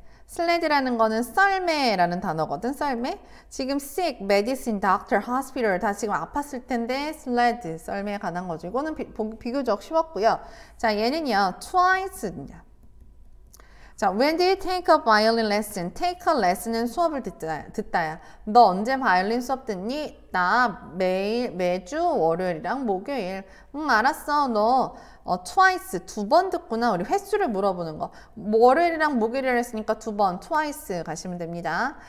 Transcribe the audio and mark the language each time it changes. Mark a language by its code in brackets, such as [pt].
[ko] sled라는 거는 썰매라는 단어거든, 썰매. 지금 sick, medicine, doctor, hospital 다 지금 아팠을 텐데 sled, 썰매에 관한 거죠. 이거는 비교적 쉬웠고요. 자, 얘는요, twice입니다. [en] 자, when did you take a violin lesson? Take a lesson [ko] 은 수업을 듣다야. 너 언제 바이올린 수업 듣니? 나 매주 월요일이랑 목요일. 응, 알았어. 너 twice 두번 듣구나. 우리 횟수를 물어보는 거. 월요일이랑 목요일을 했으니까 두 번, twice 가시면 됩니다.